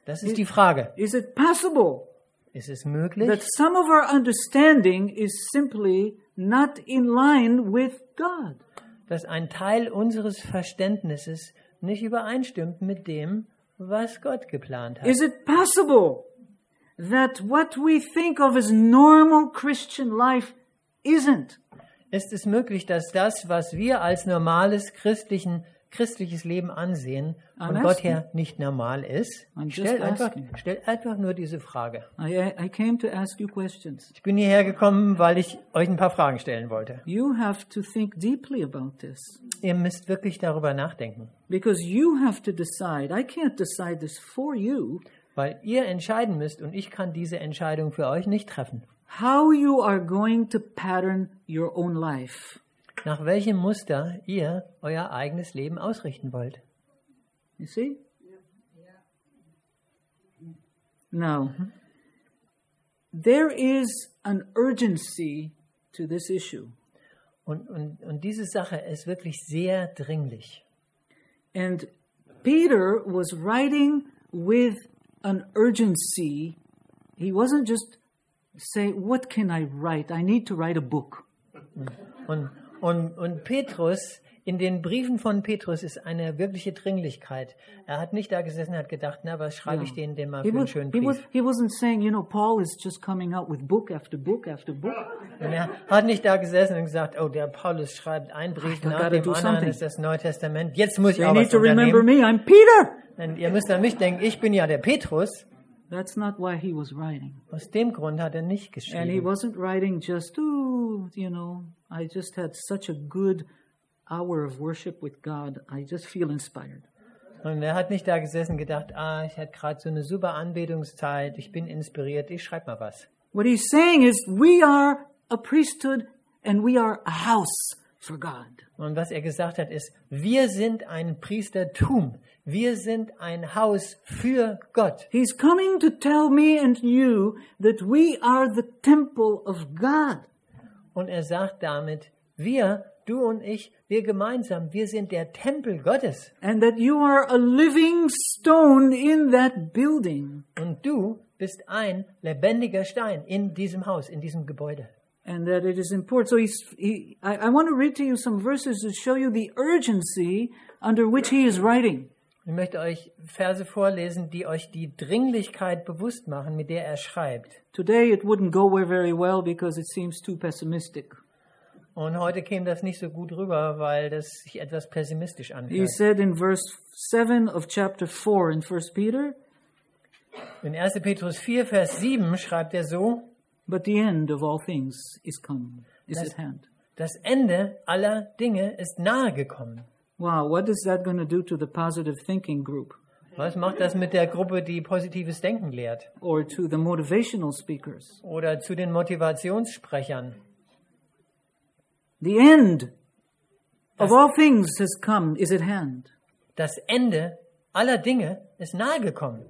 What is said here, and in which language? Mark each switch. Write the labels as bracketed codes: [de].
[de] Das ist die Frage. [en] Is it possible? [de] Ist es möglich? [en] That some of our understanding is simply not in line with God. [de] Dass ein Teil unseres Verständnisses nicht übereinstimmt mit dem, was Gott geplant hat. [en] Is it possible that what we think of as normal Christian life isn't? [de] Ist es möglich, dass das, was wir als normales christliches Leben ansehen, von Gott her nicht normal ist? Stell einfach nur diese Frage. [en] I came to ask you questions. [de] Ich bin hierher gekommen, weil ich euch ein paar Fragen stellen wollte. [en] You have to think deeply about this. [de] Ihr müsst wirklich darüber nachdenken. [en] Because you have to decide. I can't decide this for you. [de] Weil ihr entscheiden müsst und ich kann diese Entscheidung für euch nicht treffen. [en] How you are going to pattern your own life? [de] Nach welchem Muster ihr euer eigenes Leben ausrichten wollt? [en] You see? Now, there is an urgency to this issue. [de] Und diese Sache ist wirklich sehr dringlich. [en] And Peter was writing with an urgency. He wasn't just say, what can I write? I need to write a book. [de] Und Petrus, in den Briefen von Petrus ist eine wirkliche Dringlichkeit. Er hat nicht da gesessen und hat gedacht, na, was schreibe ich denen mal für einen schönen Brief? [en] He wasn't saying, you know, Paul is just coming out with book after book after book. [de] Und er hat nicht da gesessen und gesagt, oh, der Paulus schreibt einen Brief nach dem anderen, [en] something. [de] Ist das Neue Testament. Jetzt muss ich auch was unternehmen. [en] You need to remember me, I'm Peter! [de] Denn ihr müsst an mich denken, ich bin ja der Petrus. [en] That's not why he was writing. [de] Aus dem Grund hat er nicht geschrieben. [en] And he wasn't writing just, oh, you know, I just had such a good hour of worship with God. I just feel inspired. [de] Und er hat nicht da gesessen und gedacht, ah, ich hatte gerade so eine super Anbetungszeit, ich bin inspiriert, ich schreibe mal was. [en] What he's saying is, we are a priesthood and we are a house for God. [de] Und was er gesagt hat ist, wir sind ein Priestertum. Wir sind ein Haus für Gott. [en] He's coming to tell me and you that we are the temple of God. [de] Und er sagt damit, wir, du und ich, wir gemeinsam, wir sind der Tempel Gottes. [en] And that you are a living stone in that building. [de] Und du bist ein lebendiger Stein in diesem Haus, in diesem Gebäude. [en] And that it is important. So I want to read to you some verses to show you the urgency under which he is writing. [de] Ich möchte euch Verse vorlesen, die euch die Dringlichkeit bewusst machen, mit der er schreibt. [en] Today it wouldn't go very well because it seems too pessimistic. [de] Und heute käme das nicht so gut rüber, weil das sich etwas pessimistisch anhört. [en] He said in verse 7 of chapter 4 in 1 Peter. [de] In 1. Petrus 4, Vers 7 schreibt er so. [en] But the end of all things is come, is at hand. [de] Das Ende aller Dinge ist nahe gekommen. [en] Wow, what is that going to do to the positive thinking group? [de] Was macht das mit der Gruppe, die positives Denken lehrt? [en] Or to the motivational speakers? [de] Oder zu den Motivationssprechern? [en] The end of all things has come, is at hand. [de] Das Ende aller Dinge ist nahe gekommen.